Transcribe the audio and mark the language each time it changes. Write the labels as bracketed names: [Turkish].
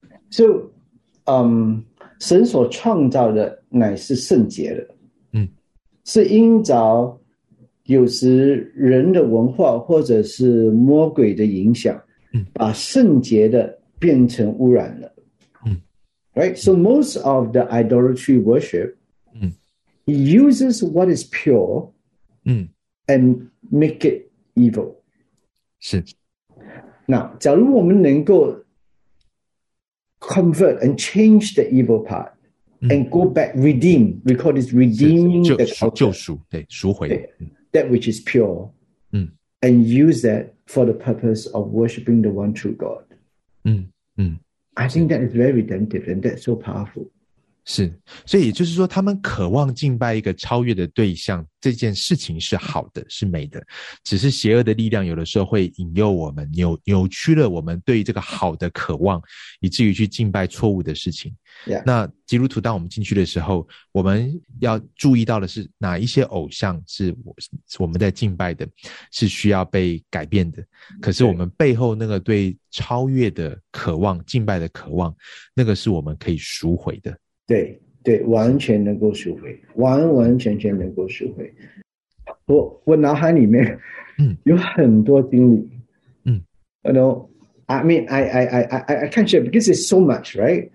[Chinese] 就神所创造的乃是圣洁的，是因着有时人的文化或者是魔鬼的影响，把圣洁的变成污染了。 [English] Right? So most of the idolatry worship uses what is pure and make it evil. [Chinese] 是。那假如我们能够 [English] convert and change the evil part and go back, redeem, we call this redeeming the culture. [Chinese] 救赎，对，赎回。 [English] That which is pure, and use that for the purpose of worshiping the one true God. I think that is very redemptive and that's so powerful. [Chinese] 是，所以也就是说，他们渴望敬拜一个超越的对象，这件事情是好的，是美的。只是邪恶的力量有的时候会引诱我们，扭曲了我们对于这个好的渴望，以至于去敬拜错误的事情。 [English] Yeah. [Chinese] 那基督徒当我们进去的时候，我们要注意到的是哪一些偶像是我们在敬拜的，是需要被改变的。可是我们背后那个对超越的渴望，敬拜的渴望，那个是我们可以赎回的。对对，完全能够赎回，完完全全能够赎回。我脑海里面有很多经历。 [English] I can't share because it's so much, right?